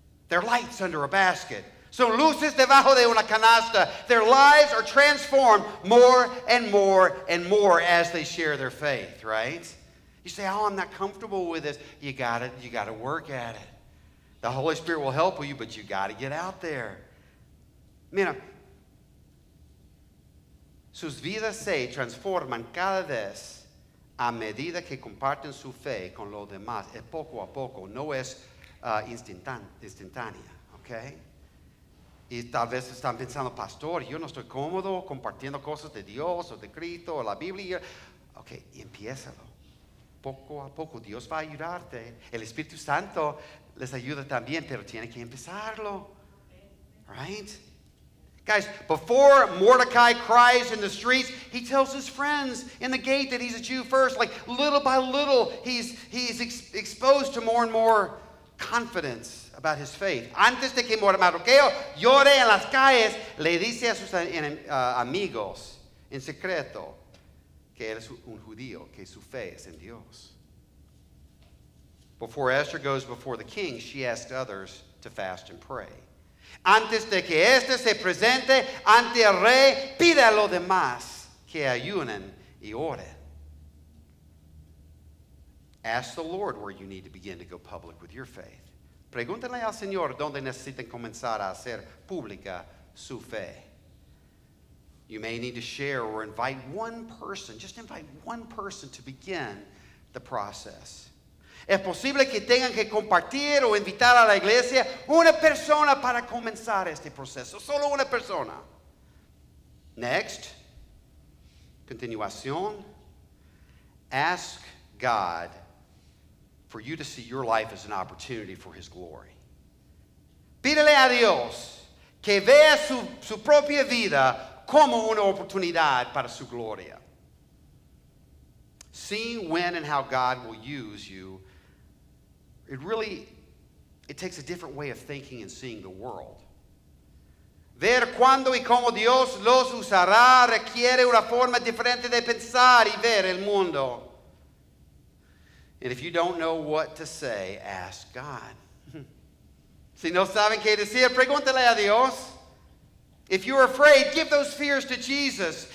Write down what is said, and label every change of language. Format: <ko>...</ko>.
<en>They're lights under a basket.</en> <es>Son luces debajo de una canasta.</es> <en>Their lives are transformed more and more and more as they share their faith, right? You say, oh, I'm not comfortable with this. You got to work at it. The Holy Spirit will help you, but you got to get out there.</en> <es>Mira, sus vidas se transforman cada vez a medida que comparten su fe con los demás. Es poco a poco, no es instantánea, okay? Y tal vez están pensando, pastor, yo no estoy cómodo compartiendo cosas de Dios o de Cristo o la Biblia. Ok, empiézalo. Poco a poco Dios va a ayudarte. El Espíritu Santo les ayuda también, pero tiene que empezarlo.</es> <en>Right? Guys, before Mordecai cries in the streets, he tells his friends in the gate that he's a Jew first. Like little by little, he's exposed to more and more confidence about his faith.</en> <es>Antes de que Mordecai llore en las calles, le dice a sus amigos en secreto que él es un judío, que su fe es en Dios.</es> <en>Before Esther goes before the king, she asks others to fast and pray.</en> <es>Antes de que Esther se presente ante el rey, pide a los demás que ayunen y oren.</es> <en>Ask the Lord where you need to begin to go public with your faith.</en> <es>Pregúntenle al Señor dónde necesitan comenzar a hacer pública su fe.</es> <en>You may need to share or invite one person, just invite one person to begin the process.</en> <es>Es posible que tengan que compartir o invitar a la iglesia una persona para comenzar este proceso, solo una persona.</es> <en>Next, continuación, ask God for you to see your life as an opportunity for his glory.</en> <es>Pídele a Dios que vea su propia vida como una oportunidad para su gloria.</es> <en>Seeing when and how God will use you, it takes a different way of thinking and seeing the world.</en> <es>Ver cuándo y cómo Dios los usará requiere una forma diferente de pensar y ver el mundo.</es> <en>And if you don't know what to say, ask God.</en> <es>Si no saben qué decir, pregúntele a Dios.</es> <en>If you're afraid, give those fears to Jesus.</en>